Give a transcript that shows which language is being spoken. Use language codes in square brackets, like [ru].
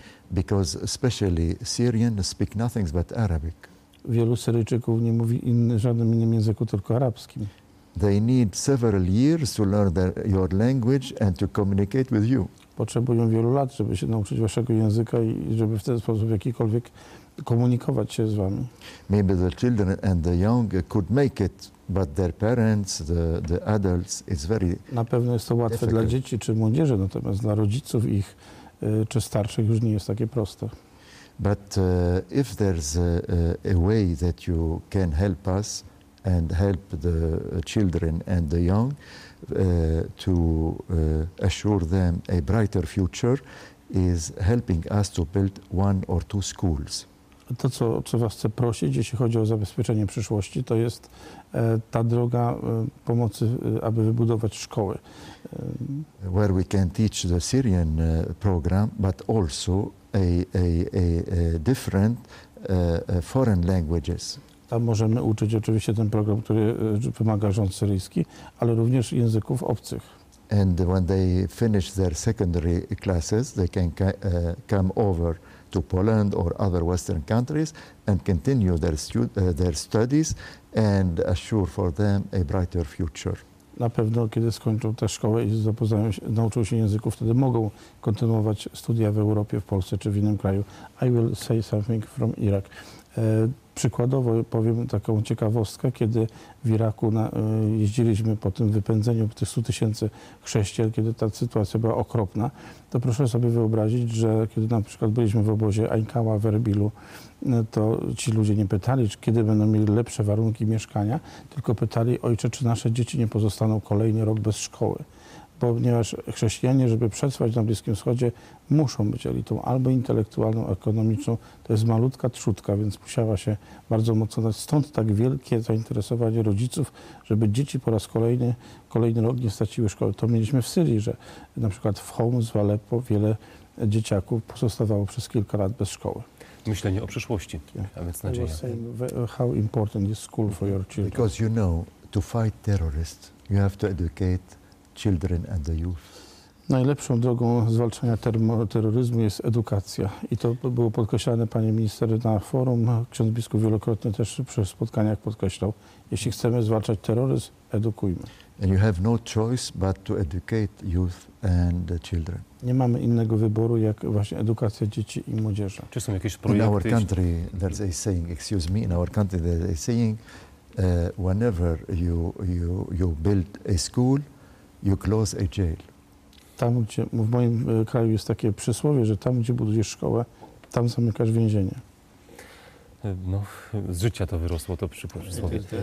[en] Because especially Syrians speak nothing but Arabic. [pl] Wielu Syryjczyków nie mówi żadnym innym języku, tylko arabskim. [en] They need several years to learn your language and to communicate with you. [pl] Potrzebują wielu lat, żeby się nauczyć waszego języka i żeby w ten sposób jakikolwiek komunikować się z wami. [en] Maybe the children and the young could make it, but their parents, the adults, it's very difficult. [pl] Na pewno jest to łatwe dla dzieci czy młodzieży, natomiast dla rodziców ich czy starszych już nie jest takie proste. [en] But if there's a way that you can help us and help the children and the young to assure them a brighter future, is helping us to build one or two schools. [pl] To, co was chcę prosić, jeśli chodzi o zabezpieczenie przyszłości, to jest ta droga pomocy, aby wybudować szkoły. [en] Where we can teach the Syrian program, but also a different foreign languages. [pl] Tam możemy uczyć oczywiście ten program, który wymaga rząd syryjski, ale również języków obcych. [en] And when they finish their secondary classes, they can come over to Poland or other Western countries and continue their studies and assure for them a brighter future. [pl] na pewno, kiedy skończą tę szkołę i zapoznają się, nauczą się języków, wtedy mogą kontynuować studia w Europie, w Polsce czy w innym kraju. [en] I will say something from Iraq. [pl] Przykładowo powiem taką ciekawostkę, kiedy w Iraku jeździliśmy po tym wypędzeniu tych 100 tysięcy chrześcijan, kiedy ta sytuacja była okropna, to proszę sobie wyobrazić, że kiedy na przykład byliśmy w obozie Ańkała w Erbilu, to ci ludzie nie pytali, czy kiedy będą mieli lepsze warunki mieszkania, tylko pytali ojcze, czy nasze dzieci nie pozostaną kolejny rok bez szkoły. Ponieważ chrześcijanie, żeby przetrwać na Bliskim Wschodzie, muszą być elitą albo intelektualną, ekonomiczną. To jest malutka trzutka, więc musiała się bardzo mocno dać. Stąd tak wielkie zainteresowanie rodziców, żeby dzieci po raz kolejny, kolejny rok nie straciły szkoły. To mieliśmy w Syrii, że na przykład w Homs, w Aleppo wiele dzieciaków pozostawało przez kilka lat bez szkoły. Myślenie o przyszłości, a więc nadzieja. [en] How important is school for your children? Because you know, to fight terrorists, you have to educate children and the youth. [pl] Najlepszą drogą zwalczania terroryzmu jest edukacja. I to było podkreślane, panie minister, na forum. Ksiądz biskup wielokrotnie też przy spotkaniach podkreślał. Jeśli chcemy zwalczać terroryzm, edukujmy. [en] And you have no choice but to educate youth and the children. [pl] Nie mamy innego wyboru jak właśnie edukacja dzieci i młodzieży. Czy są jakieś projekty? [en] In our country, there's a saying, excuse me, in our country there's a saying, whenever you build a school, you close a jail. [pl] Tam, gdzie, w moim kraju jest takie przysłowie, że tam, gdzie budujesz szkołę, tam zamykasz więzienie. No, z życia to wyrosło, to przysłowie.